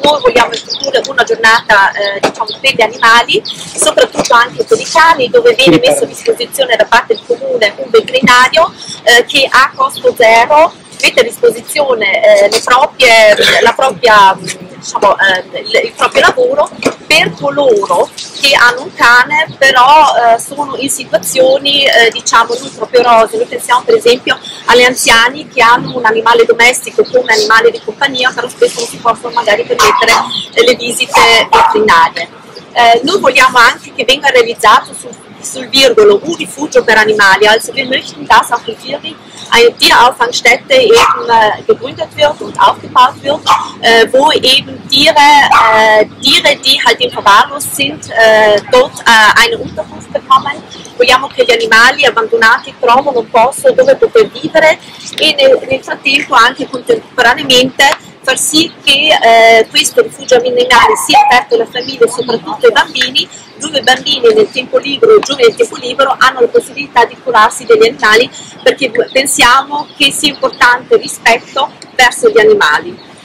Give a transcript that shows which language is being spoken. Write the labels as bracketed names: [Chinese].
[Italian] Noi vogliamo introdurre una giornata diciamo, per gli animali, soprattutto anche per i cani, dove viene messo a disposizione da parte del comune un veterinario che a costo zero mette a disposizione il proprio lavoro per coloro che hanno un cane, però sono in situazioni diciamo non troppo rose. Noi pensiamo per esempio agli anziani che hanno un animale domestico come animale di compagnia, però spesso non si possono magari permettere le visite veterinarie. Noi vogliamo anche che venga realizzato sul virgolo un rifugio per animali. [German] Also wir möchten, dass auf dem Viering eine Tierauffangstätte eben gegründet wird und aufgebaut wird, wo eben Tiere, die halt in Verwahrlos sind, dort eine Unterkunft bekommen. [Italian] Vogliamo che gli animali abbandonati trovino un posto dove poter vivere e nel frattempo anche contemporaneamente far sì che questo rifugio animale sia aperto alle famiglie, soprattutto ai bambini, dove i bambini nel tempo libero, giovani nel tempo libero, hanno la possibilità di curarsi degli animali, perché pensiamo che sia importante il rispetto verso gli animali.